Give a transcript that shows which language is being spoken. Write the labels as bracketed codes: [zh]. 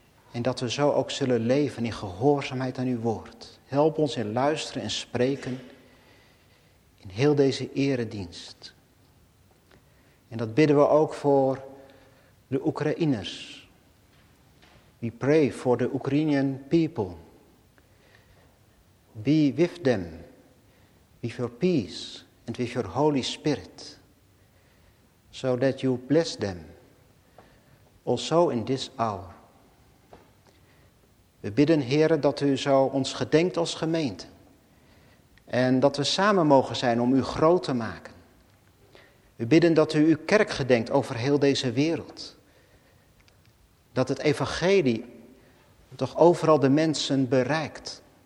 [nl] En dat we zo ook zullen leven in gehoorzaamheid aan uw woord. Help ons in luisteren en spreken in heel deze eredienst. En dat bidden we ook voor de Oekraïners. [en] We pray for the Ukrainian people. Be with them, with your peace and with your Holy Spirit. So that you bless them. also in this hour. [nl] We bidden, Heere, dat u zo ons gedenkt als gemeente. En dat we samen mogen zijn om u groot te maken. We bidden dat u uw kerk gedenkt over heel deze wereld. Dat het evangelie toch overal de mensen bereikt.